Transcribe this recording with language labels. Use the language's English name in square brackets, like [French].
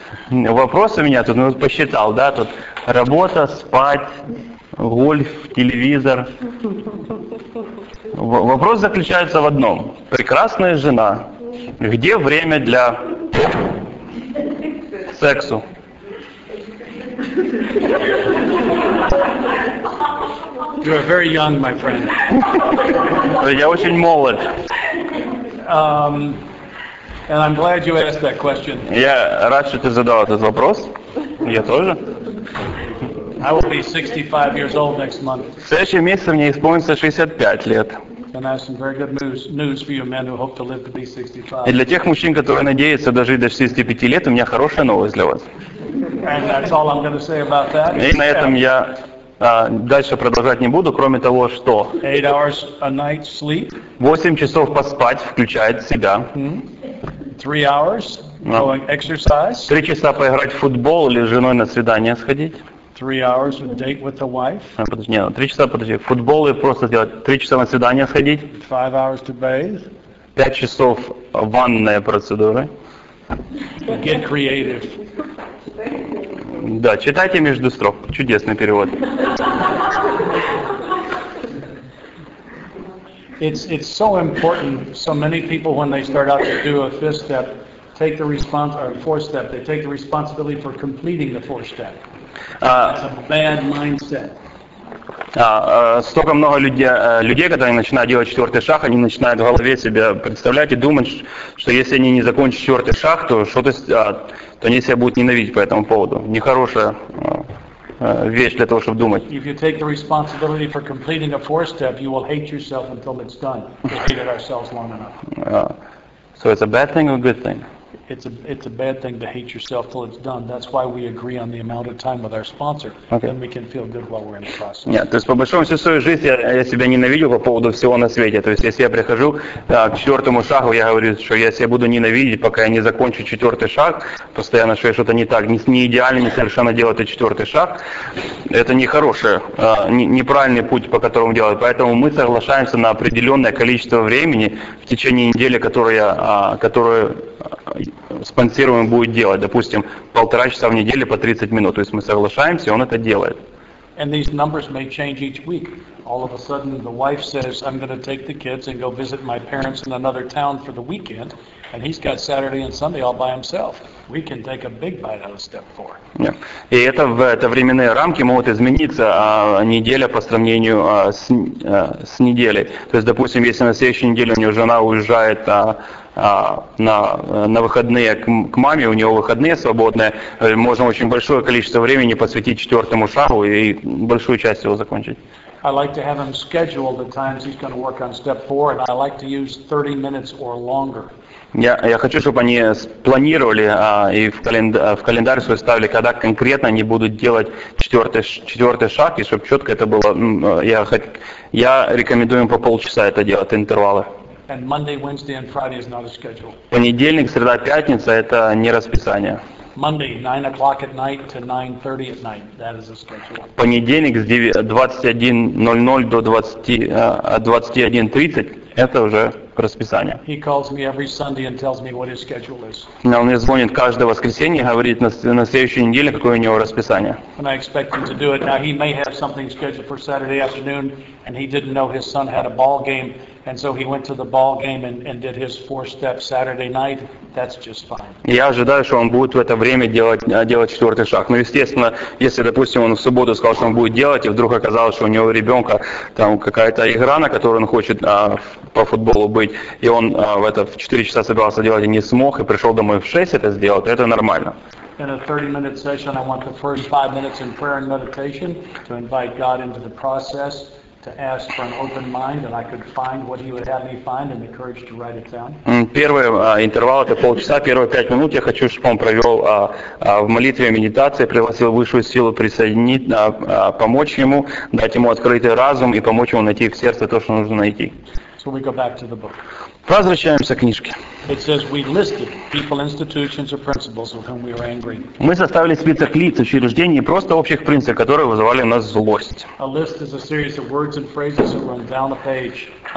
[Russian] Вопрос у меня тут, посчитал, да, тут работа, спать, гольф, телевизор. Вопрос заключается в одном. Прекрасная жена, где время для сексу? [English] You are very young, my friend. [Russian] Я очень молод. [English] And I'm glad you asked that question. [Russian] Я рад, что ты задал этот вопрос. Я тоже. [English] I will be 65 years old next month. [Russian] В следующем месяце мне исполнится 65 лет. [English] And I have some very good news for you men who hope to live to be 65. [Russian] И для тех мужчин, которые надеются дожить до 65 лет, у меня хорошая новость для вас. [English] And that's all I'm going to say about that. [Russian] И на этом я дальше продолжать не буду, кроме того, что [English] 8 hours a night sleep. [Russian] 8 часов поспать включает в себя. [English] 3 hours going exercise. [Russian] 3 часа поиграть в футбол или с женой на свидание сходить. [English] 3 hours and date with the wife. [Russian] Подожди, нет, 3 часа, подожди, футбол и просто сделать, 3 часа на свидание сходить. [English] 5 hours to bathe. [Russian] 5 часов ванная процедура. [English] Get creative. [Russian] Да, читайте между строк, чудесный перевод. [English] It's so important. So many people, when they start out to do a fifth step, take the responsibility, or fourth step, they take the responsibility for completing the fourth step. It's a bad mindset. [Russian] Столько много людей, которые начинают делать четвертый шаг, они начинают в голове себе представлять и думать, что если они не закончат четвертый шаг, то что-то, то они себя будут ненавидеть по этому поводу. Нехорошая вещь для того, чтобы думать. [English] If you take the responsibility for completing a fourth step, you will hate yourself until it's done. We've hated ourselves long enough. So it's a bad thing or a good thing? It's a bad thing to hate yourself till it's done. That's why we agree on the amount of time with our sponsor. Okay. Then we can feel good while we're in the process. [Russian] Нет, то есть по большому счету всю свою жизнь я себя ненавидел по поводу всего на свете. То есть если я прихожу к четвертому шагу, я говорю, что я себя буду ненавидеть, пока я не закончу четвертый шаг, постоянно, что я что-то не так, не идеально, не совершенно делаю этот четвертый шаг, это нехорошее, неправильный путь, по которому делать. Поэтому мы соглашаемся на определенное количество времени в течение недели, которую спонсируемый будет делать, допустим, 1.5 часа в неделю по 30 минут. То есть мы соглашаемся, и он это делает. [English] And these numbers may change each week. All of a sudden the wife says, I'm going to take the kids and go visit my parents in another town for the weekend, and he's got Saturday and Sunday all by himself. We can take a big bite out of step 4. [Russian] И это временные рамки могут измениться, неделя по сравнению с неделей. То есть, допустим, если на следующей неделе у него жена уезжает на выходные к маме, у него выходные свободные, можно очень большое количество времени посвятить четвертому шагу и большую часть его закончить. [English] I like to have him schedule the times he's going to work on step 4, and I like to use 30 minutes or longer. [Russian] Я хочу, чтобы они спланировали и в календарь свой ставили, когда конкретно они будут делать четвертый шаг, и чтобы четко это было. Я рекомендую им по полчаса это делать, интервалы. [English] And Monday, Wednesday, and Friday is not a schedule. [Russian] Понедельник, среда, пятница – это не расписание. [English] Monday, 9 o'clock at night to 9:30 at night. That is a schedule. [Russian] Понедельник с 21:00 до 21:30 – это уже расписание. [English] He calls me every Sunday and tells me what his schedule is. [Russian] Он мне звонит каждое воскресенье, говорит на следующей неделе, какое у него расписание. [English] And I expect him to do it. Now he may have something scheduled for Saturday afternoon, and he didn't know his son had a ball game. And so he went to the ball game and did his four steps Saturday night. That's just fine. [Russian] Я ожидаю, что он будет в это время делать четвертый шаг. Но естественно, если, допустим, он в субботу сказал, что он будет делать, и вдруг оказалось, что у него ребенка там какая-то игра, на которую он хочет по футболу быть, и он в 4 часа собирался делать и не смог, и пришел домой в 6 это сделать, это нормально. [English] In a 30-minute session, I want the first 5 minutes in prayer and meditation to invite God into the process. To ask for an open mind, and I could find what he would have me find, and the courage to write it down. [Russian] Первый интервал это полчаса. Первые 5 минут я хочу, чтобы он провел в молитве и медитации, пригласил высшую силу присоединить, помочь ему, дать ему открытый разум и помочь ему найти в сердце то, что нужно найти. [English] So we go back to the book. [Russian] Возвращаемся к книжке. [English] It says we listed people, institutions, or principles with whom we were angry. [Russian] Мы составили список лиц, учреждений, просто общих принципов, которые вызывали у нас злость. [English] A list is a series of words and phrases that run down a page.